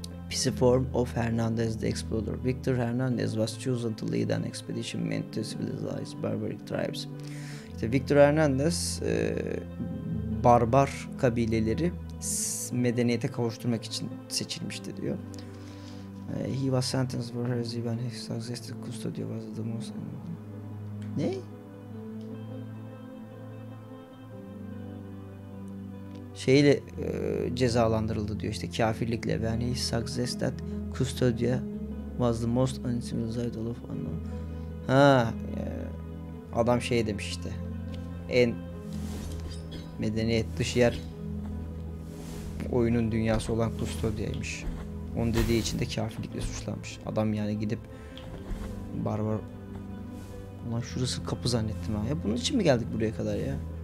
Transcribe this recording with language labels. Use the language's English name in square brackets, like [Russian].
[English] Pisiform of Hernandez the Explorer. Victor Hernandez was chosen to lead an expedition meant to civilize barbaric tribes. [Turkish] İşte Victor Hernandez barbar kabileleri medeniyete kavuşturmak için seçilmişti diyor. [English] He was sentenced for heresy when he suggested custodia was the most... [Turkish] Ne? Şeyle cezalandırıldı diyor işte kafirlikle. [English] Yani he suggested that custodia was the most uncivilized of all. [Turkish] Ha adam şey demiş işte. En medeniyet dışı yer oyunun dünyası olan custodia'ymış. Onu dediği için de kafirlikle suçlanmış. Adam yani gidip barbar... Ulan şurası kapı zannettim ha. Ya bunun için mi geldik buraya kadar ya?